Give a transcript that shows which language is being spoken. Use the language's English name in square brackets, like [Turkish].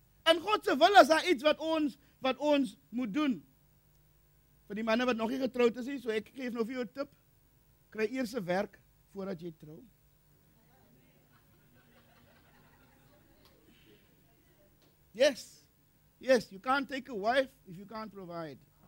[Afrikaans] In God se wil is daar iets wat ons moet doen. Vir die manne wat nog nie getroud is nie, so ek geef nou vir jou 'n tip, kry eers 'n werk voordat jy trou. [English] Yes, you can't take a wife if you can't provide.